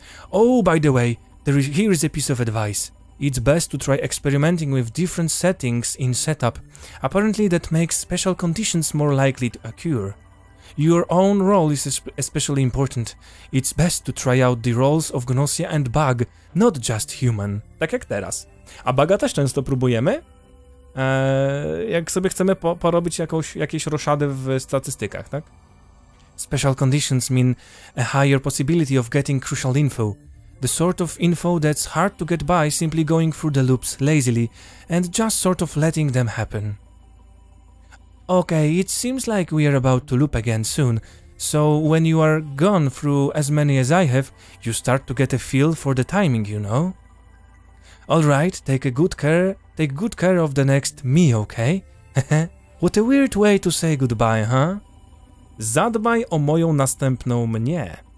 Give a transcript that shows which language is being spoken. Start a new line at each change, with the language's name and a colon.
English: Oh, by the way, here is a piece of advice. It's best to try experimenting with different settings in setup. Apparently that makes special conditions more likely to occur. Your own role is especially important. It's best to try out the roles of Gnosia and Bug, not just human.
Polish: Tak jak teraz. A Buga też często próbujemy? Jak sobie chcemy porobić jakieś roszady w statystykach, tak?
English: Special conditions mean a higher possibility of getting crucial info. The sort of info that's hard to get by simply going through the loops lazily and just sort of letting them happen. Okay, it seems like we are about to loop again soon. So when you are gone through as many as I have, you start to get a feel for the timing, you know? All right, take good care of the next me, okay? What a weird way to say goodbye, huh?
Polish: Zadbaj o moją następną mnie.